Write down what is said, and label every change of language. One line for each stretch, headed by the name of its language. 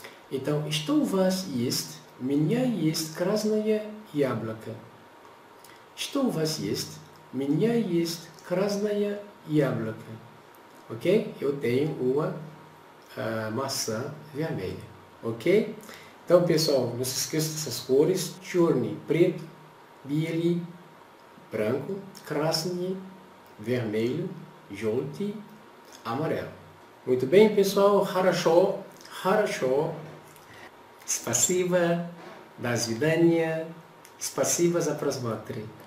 Russian: Então, что у вас есть? Меня есть красное яблоко. Что у вас есть? Меня есть красное яблоко. Ok?
Portuguese: Eu tenho uma maçã vermelha. Ok? Então, pessoal, não se esqueça dessas cores. Черный, preto. Белый, branco. Красный, vermelho. Желтый, amarelo. Muito bem, pessoal.
Russian: Хорошо. Хорошо. Спасибо. До свидания. Спасибо за просмотр.